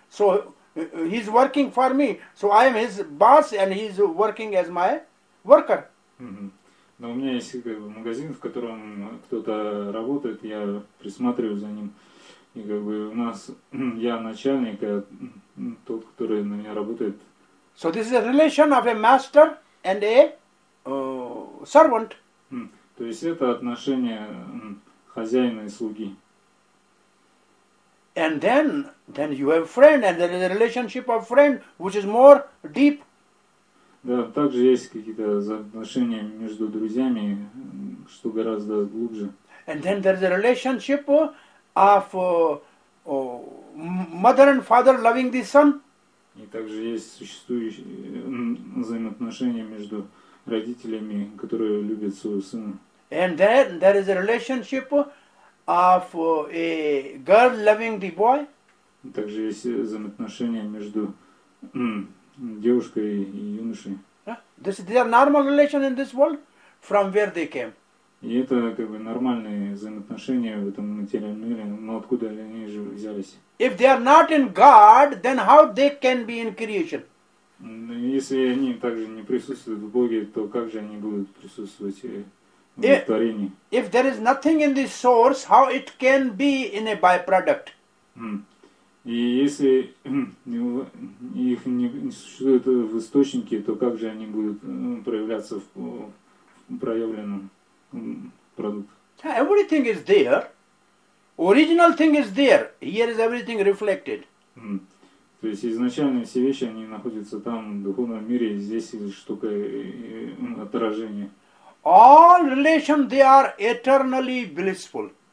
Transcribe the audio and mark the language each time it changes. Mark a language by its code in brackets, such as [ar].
[en] So he's working for me. So I am his boss, and he's working as my worker. [ru] Но у меня есть как бы магазин, в котором кто-то работает, я присматриваю за ним. И как бы у нас я начальник, а тот, который на меня работает. [en] So this is a relation of a master and a servant. [ru] То есть это отношение хозяина и слуги. [en] And then you have friend, and there is a relationship of friend, which is more deep. [ru] Да, также есть какие-то отношения между друзьями, что гораздо глубже. [en] And then there is a relationship of mother and father loving the son. [ru] И также есть существующие взаимоотношения между родителями, которые любят своего сына. [en] And then there is a relationship of a girl loving the boy. [ru] Также есть взаимоотношения между девушкой и юношей. [en] These are normal relations in this world, from where they came. [ru] И это как бы нормальные взаимоотношения в этом материальном мире, но откуда они же взялись? [en] If they are not in God, then how they can be in creation? [ru] Если они также не присутствуют в Боге, то как же они будут присутствовать? [en] If there is nothing in the source, how it can be in a byproduct? [ru] И если их не существует в источнике, то как же они будут проявляться в проявленном продукте? [en] Everything is there. Original thing is there. Here is everything reflected. [ru] То есть изначально все вещи они находятся там в духовном мире, здесь штука отражение. [en] All relations, they are eternally blissful.